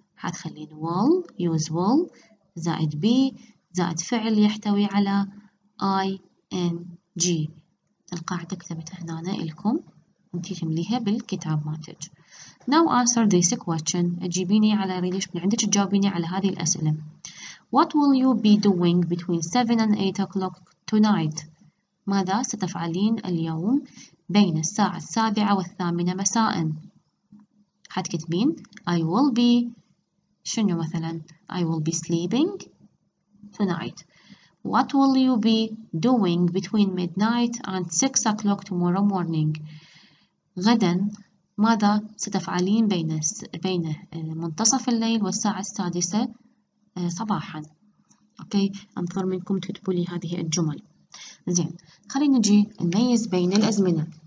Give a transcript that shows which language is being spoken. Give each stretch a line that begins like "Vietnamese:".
Arabic: هتخلين will, use will, زائد be, زائد فعل يحتوي على ing. القاعدة كتبتها هنا لكم. انتي تمليها بالكتاب ماتج.
English: Now answer this question.
Arabic: اجيبيني على ريليش من عندك تجاوبيني على هذه الأسئلة.
English: What will you be doing between 7 and 8 o'clock tonight?
Arabic: ماذا ستفعلين اليوم بين الساعة 7 و8 مساء؟ هتكتبين
English: I will be
Arabic: شنو مثلا؟
English: I will be sleeping tonight. What will you be doing between midnight and 6 o'clock tomorrow morning?
Arabic: غدا ماذا ستفعلين بين منتصف الليل والساعة 6 صباحا؟ اوكي انتظر منكم تكتبوا لي هذه الجمل. زين خلينا نجي نميز بين الأزمنة.